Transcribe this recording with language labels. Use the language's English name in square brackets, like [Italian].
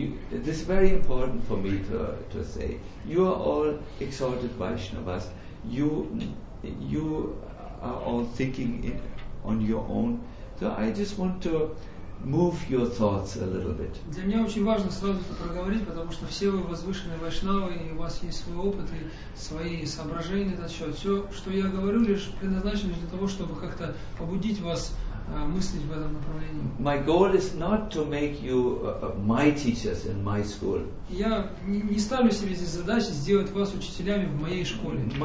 [English] This is very important for me to say. You are all exalted Vaishnavas. You are all thinking on your own. So I just want to move your thoughts a little bit. [Russian] Для меня очень важно сразу это проговорить, потому что все вы возвышенные вайшнавы, и у вас есть свой опыт и свои соображения на этот счет. Все, что я говорю, лишь предназначено для того, чтобы как-то побудить вас мыслить в этом направлении. [English] My goal is not to make you my teachers in my school. [Russian] Я не ставлю себе здесь задачи сделать вас учителями в моей школе.